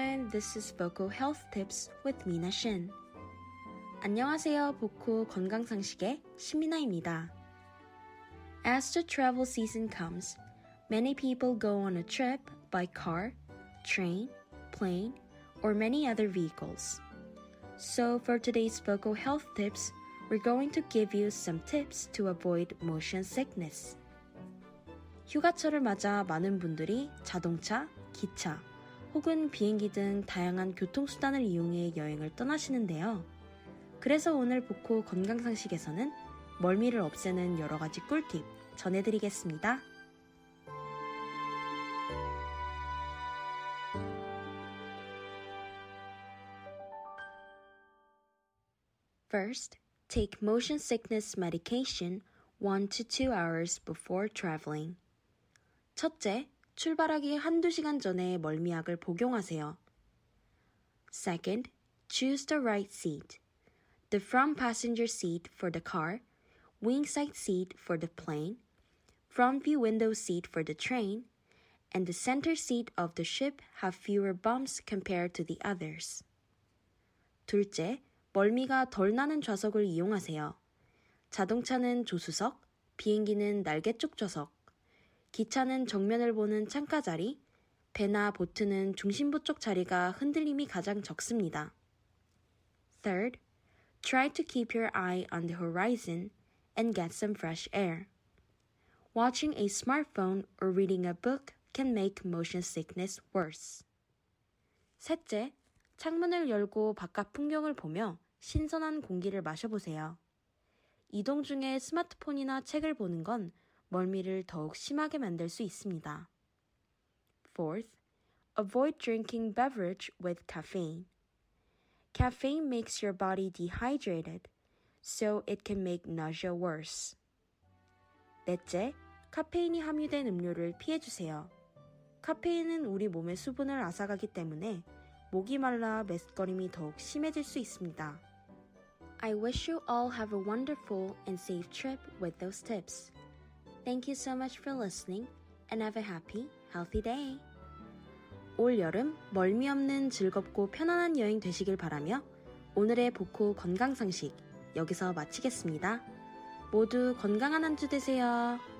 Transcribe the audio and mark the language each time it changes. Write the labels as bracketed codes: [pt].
[en] This is Vocal Health Tips with Mina Shin. [ko] 안녕하세요. 보코 건강상식의 신미나입니다. [en] As the travel season comes, many people go on a trip by car, train, plane, or many other vehicles. So for today's Vocal Health Tips, we're going to give you some tips to avoid motion sickness. [ko] 휴가철을 맞아 많은 분들이 자동차, 기차, 혹은 비행기 등 다양한 교통수단을 이용해 여행을 떠나시는데요. 그래서 오늘 보코 건강상식에서는 멀미를 없애는 여러 가지 꿀팁 전해드리겠습니다. [en] 1st, take motion sickness medication 1-2 hours before traveling. [ko] 첫째, 출발하기 한두 시간 전에 멀미약을 복용하세요. [en] Second, choose the right seat. The front passenger seat for the car, wing side seat for the plane, front view window seat for the train, and the center seat of the ship have fewer bumps compared to the others. [ko] 둘째, 멀미가 덜 나는 좌석을 이용하세요. 자동차는 조수석, 비행기는 날개 쪽 좌석, 기차는 정면을 보는 창가 자리, 배나 보트는 중심부 쪽 자리가 흔들림이 가장 적습니다. [en] Third, try to keep your eye on the horizon and get some fresh air. Watching a smartphone or reading a book can make motion sickness worse. [ko] 셋째, 창문을 열고 바깥 풍경을 보며 신선한 공기를 마셔보세요. 이동 중에 스마트폰이나 책을 보는 건 멀미를 더욱 심하게 만들 수 있습니다. [en] Fourth, avoid drinking beverage with caffeine. Caffeine makes your body dehydrated, so it can make nausea worse. [ko] 넷째, 카페인이 함유된 음료를 피해주세요. 카페인은 우리 몸의 수분을 앗아가기 때문에 목이 말라 맵거림이 더욱 심해질 수 있습니다. [en] I wish you all have a wonderful and safe trip with those tips. Thank you so much for listening and have a happy, healthy day. [ko] 올 여름 멀미 없는 즐겁고 편안한 여행 되시길 바라며 오늘의 보코 건강상식 여기서 마치겠습니다. 모두 건강한 한 주 되세요.